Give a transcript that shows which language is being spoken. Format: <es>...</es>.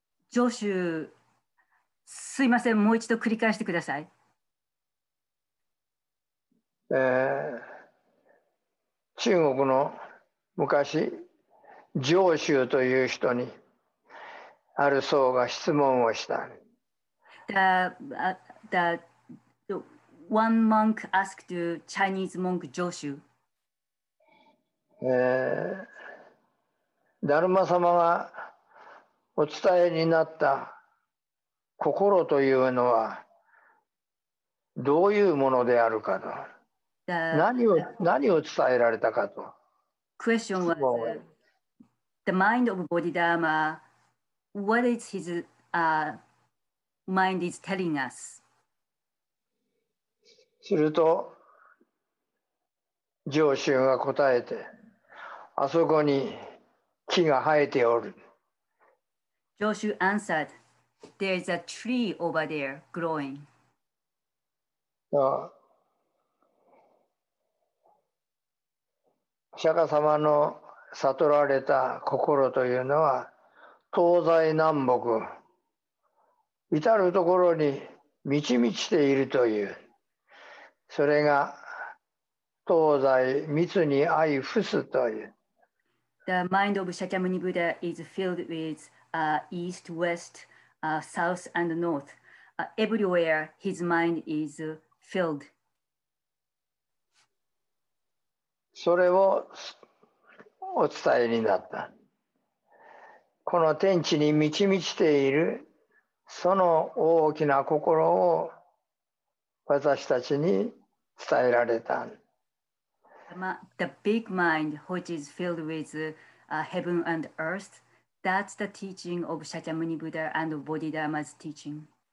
<ja>上州、すいません、もう一度繰り返してください。中国の昔、上州という人にある僧が質問をした。</ja> <en>The one monk asked to Chinese monk 上州。</en> <ja>ダルマ様がお伝えになった心というのはどういうものであるかと。何を伝えられたかと。</ja> <en>Question was。 The mind of Bodhidharma, what is his mind is telling us?</en> <ja>すると、上州が答えて、あそこに木が生えておる。</ja> <en>上州 answered, there is a tree over there growing.</en> <ja>お釈迦様の悟られた心というのは、東西南北至る所に満ち満ちているという、それが東西密に相伏すという。</ja> <en>The mind of Shakyamuni Buddha is filled with east, west, south and north. Everywhere his mind is filled.</en> <ja>それをお伝えになった。この天地に満ち満ちているその大きな心を私たちに伝えられた。</ja> <en>The big mind which is filled with heaven and earth, that's the teaching of Shakyamuni Buddha and Bodhidharma's teaching.</en>